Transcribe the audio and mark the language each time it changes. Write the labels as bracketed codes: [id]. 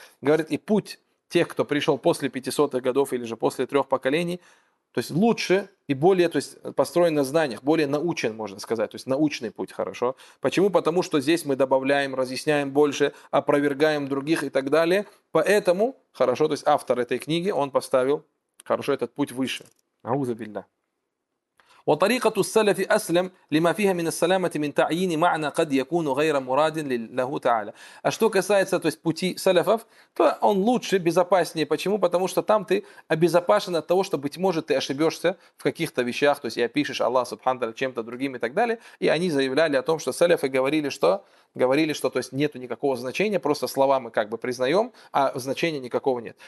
[ru] Говорит, и путь тех, кто пришел после 500-х годов или же после 3 поколений, то есть лучше и более, то есть построен на знаниях, более научен, можно сказать, то есть научный путь, хорошо. Почему? Потому что здесь мы добавляем, разъясняем больше, опровергаем других и так далее. Поэтому, хорошо, то есть автор этой книги, он поставил, хорошо, этот путь выше. Аузу билля. [ar] وطريقة السلف أسلم لما فيها من السلامة من تعيين معنى قد يكون غير مراد له تعالى. [ru] А что касается, то есть пути салафов, то он лучше, безопаснее. Почему? Потому что там ты обезопасен от того, что, быть может, ты ошибешься в каких-то вещах, то есть и опишешь Аллах Субханта чем-то другим и так далее. И они заявляли о том, что салафы говорили, что говорили, что то есть нету никакого значения, просто слова мы как бы признаем, а значения никакого нет.